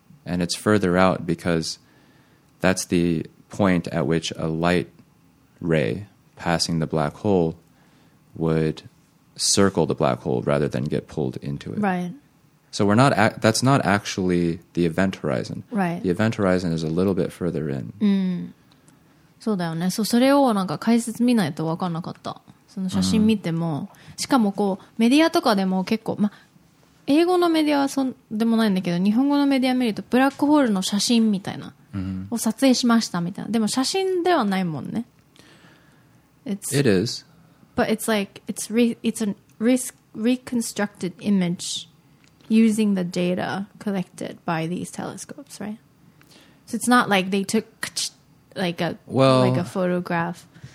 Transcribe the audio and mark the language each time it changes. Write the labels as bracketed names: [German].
[English] And it's further out because that's the point at which a light ray passing the black hole would circle the black hole rather than get pulled into it. Right. So we're not that's not actually the event horizon. Right. The event horizon is a little bit further in. [Japanese] そうだよね。そう、それをなんか解説見ないと分かんなかった。その写真見ても、しかもこうメディアとかでも結構、ま、英語のメディアはそんでもないんだけど、日本語のメディア見るとブラックホールの写真みたいな、を撮影しましたみたいな。でも写真ではないもんね。 [English] It is. But it's like, it's a reconstructed image using the data collected by these telescopes, right? So it's not like they took... like a photograph.